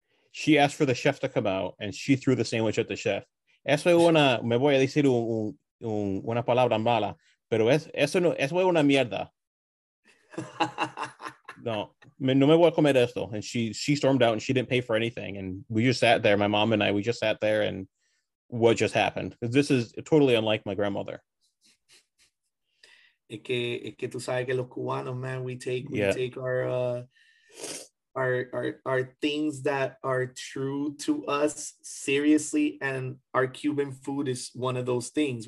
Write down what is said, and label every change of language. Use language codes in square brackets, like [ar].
[en] She asked for the chef to come out, and she threw the sandwich at the chef. [es] Eso es una, me voy a decir una palabra mala, pero eso es una mierda. No me voy a comer esto. [en] And she stormed out and she didn't pay for anything. And we just sat there, my mom and I, we just sat there and what just happened? Because this is totally unlike my grandmother. [es] Es que tú sabes que los cubanos, [en] man, we take our things that are true to us seriously, and our Cuban food is one of those things.